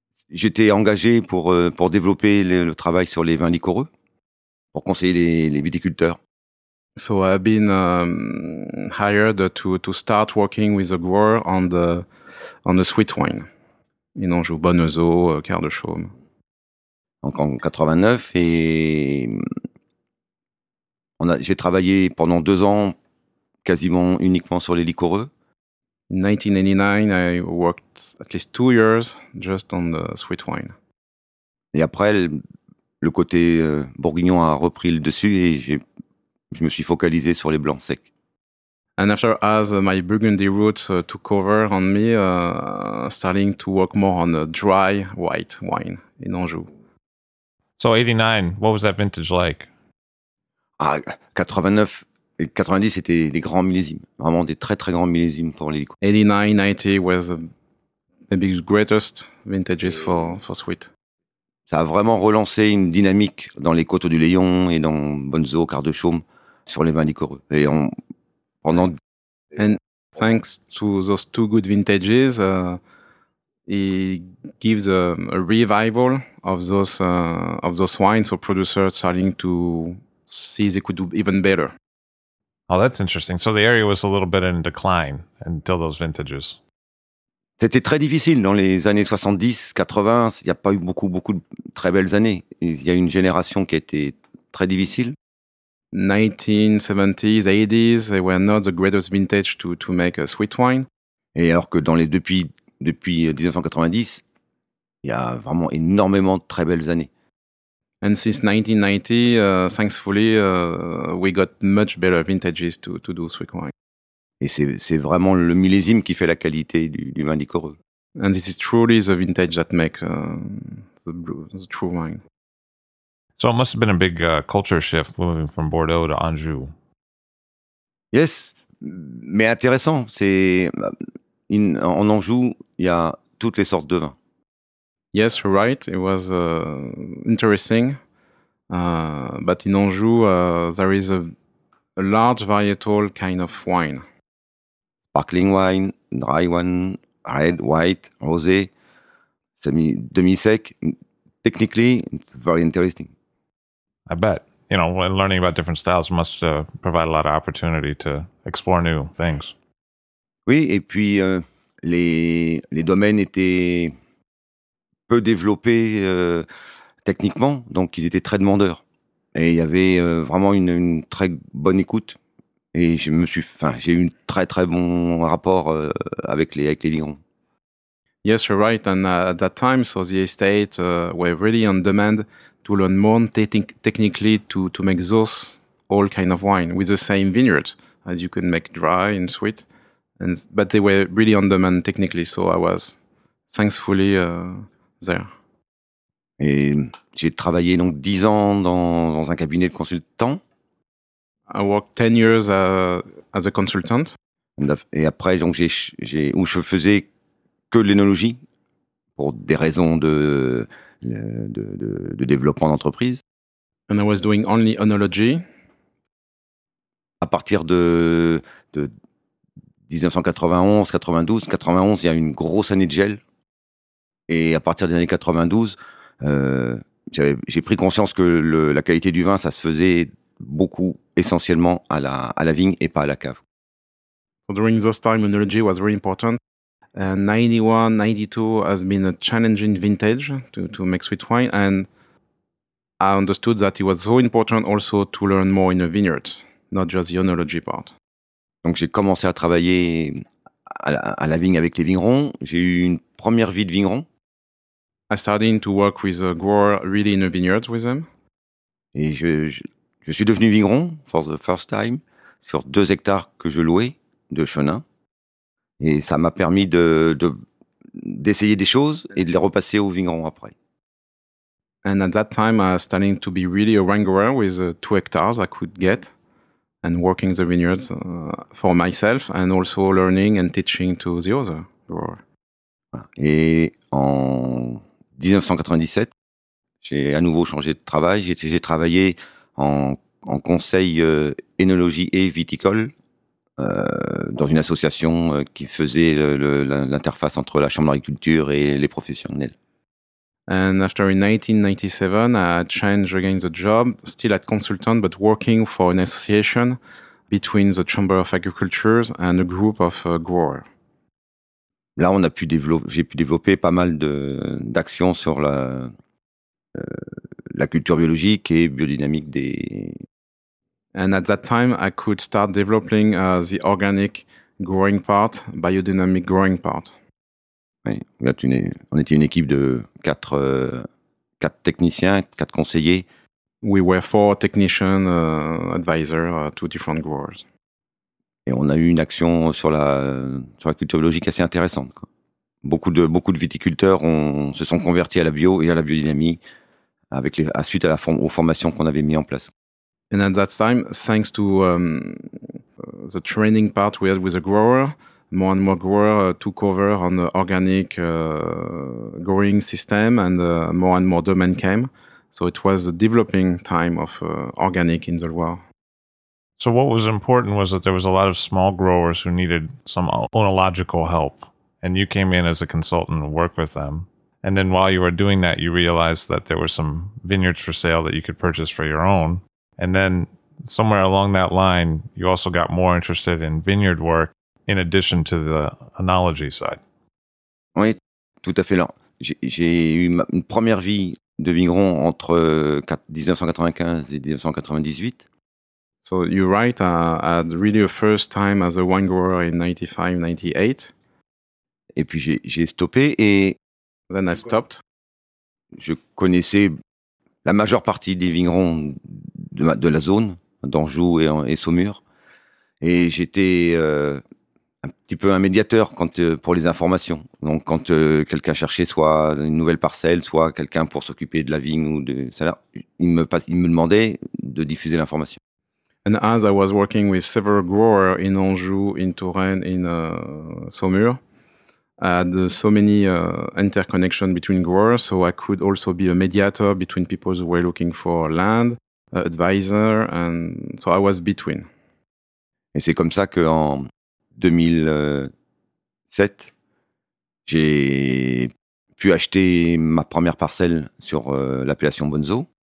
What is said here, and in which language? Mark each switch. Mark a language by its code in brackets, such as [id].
[fr] J'étais engagé pour développer le travail sur les vins liquoreux, pour conseiller les viticulteurs. [en] So I've been hired to start working with a grower on the sweet wine. In Anjou, Bonneuseau, Quart de Chaume. [fr] Donc en 89, et j'ai travaillé pendant 2 ans quasiment uniquement sur les liquoreux. [en] In 1989, I worked at least 2 years just on the sweet wine. [fr] Et après, le côté bourguignon a repris le dessus et je me suis focalisé sur les blancs secs. [en] And after, as my Burgundy roots took over on me, starting to work more on the dry white wine in Anjou. So 89, what was that vintage like? Ah, 89. [fr] 90, c'était des grands millésimes, vraiment des très très grands millésimes pour les liquoreux. [en] 89, 90 was the greatest vintages for sweet. [fr] Ça a vraiment relancé une dynamique dans les Côtes du Layon et dans Bonneuseau, Quart de Chaume, sur les vins liquoreux. Et pendant. [en] And thanks to those two good vintages, it gives a revival of those wines. So producers starting to see they could do even better. Oh, that's interesting. So the area was a little bit in decline until those vintages. [fr] C'était très difficile dans les années 70, 80. Il n'y a pas eu beaucoup de très belles années. Il y a eu une génération qui a été très difficile. [en] 1970s, 80s, they were not the greatest vintage to make a sweet wine. [fr] Et alors que depuis 1990, il y a vraiment énormément de très belles années. [en] And since 1990, thankfully, we got much better vintages to do sweet wine. [fr] Et c'est vraiment le millésime qui fait la qualité du vin liquoreux. [en] And this is truly the vintage that makes the true wine. So it must have been a big culture shift moving from Bordeaux to Anjou. Yes, [fr] mais intéressant. C'est en Anjou, il y a toutes les sortes de vins. [en] Yes, right. It was interesting. But in Anjou, there is a large varietal kind of wine. Sparkling wine, dry one, red, white, rosé, demi-sec. Technically, it's very interesting. I bet. You know, learning about different styles must provide a lot of opportunity to explore new things. [fr] Oui, et puis les domaines étaient peu développés techniquement, donc ils étaient très demandeurs. Et il y avait vraiment une très bonne écoute. Et j'ai eu un très très bon rapport avec les vignerons. [en] Yes, you're right. And at that time, so the estate were really on demand to learn more technically to make those all kind of wine with the same vineyard, as you can make dry and sweet. But they were really on demand technically, so I was thankfully there. [fr] Et j'ai travaillé donc 10 ans dans un cabinet de consultant. [en] I worked 10 years as a consultant. [fr] Et après, donc je faisais que l'œnologie pour des raisons de développement d'entreprise. [en] And I was doing only œnologie. [fr] À partir de 1991, 92, 91, il y a une grosse année de gel. Et à partir des années 92, j'ai pris conscience que la qualité du vin, ça se faisait beaucoup, essentiellement à la vigne et pas à la cave. [en] So during those times, œnologie was very important. 91, 92 has been a challenging vintage to make sweet wine, and I understood that it was so important also to learn more in a vineyard, not just the œnologie part. [fr] Donc j'ai commencé à travailler à la vigne avec les vignerons. J'ai eu une première vie de vigneron. [en] I started to work with a grower really in a vineyard with them. [fr] Et je suis devenu vigneron [en] for the first time [fr] sur 2 hectares que je louais de Chenin. Et ça m'a permis d'essayer des choses et de les repasser au vigneron après. [en] And at that time, I was starting to be really a wrangler with 2 hectares I could get and working the vineyards for myself and also learning and teaching to the other grower. [fr] Et en 1997, j'ai à nouveau changé de travail. J'ai travaillé en conseil œnologie et viticole. Dans une association qui faisait l'interface entre la chambre d'agriculture et les professionnels. [en] And after in 1997, I changed again the job, still at consultant, but working for an association between the Chamber of Agriculture and a group of growers. [fr] Là, j'ai pu développer pas mal d'actions sur la culture biologique et biodynamique des. [en] And at that time, I could start developing the organic growing part, biodynamic growing part. [fr] Oui, on était une équipe de 4 techniciens, 4 conseillers. [en] We were 4 technicians, advisors, 2 different growers. [fr] Et on a eu une action sur la culture biologique assez intéressante, quoi. Beaucoup de viticulteurs se sont convertis à la bio et à la biodynamie suite aux formations qu'on avait mis en place. [en] And at that time, thanks to the training part we had with the grower, more and more growers took over on the organic growing system, and more domain came. So it was the developing time of organic in the Loire. So what was important was that there was a lot of small growers who needed some oenological help, and you came in as a consultant to work with them. And then while you were doing that, you realized that there were some vineyards for sale that you could purchase for your own. And then somewhere along that line, you also got more interested in vineyard work in addition to the oenology side. [fr] Oui, tout à fait. Alors, j'ai eu une première vie de vigneron entre 1995 et 1998. [en] So you're right, I had really a first time as a wine grower in 95-98. [fr] Et puis j'ai stoppé et... [en] Then I stopped. [fr] Je connaissais la majeure partie des vignerons de la zone, d'Anjou et Saumur. Et j'étais un petit peu un médiateur pour les informations. Donc quand quelqu'un cherchait soit une nouvelle parcelle, soit quelqu'un pour s'occuper de la vigne ou de ça, il me demandait de diffuser l'information. [en] And as I was working with several growers in Anjou, in Touraine, in Saumur, I had so many interconnection between growers, so I could also be a mediator between people who were looking for land, advisor, and so I was between. [fr] Et c'est comme ça qu'en 2007, j'ai pu acheter ma première parcelle sur l'appellation Bonzo.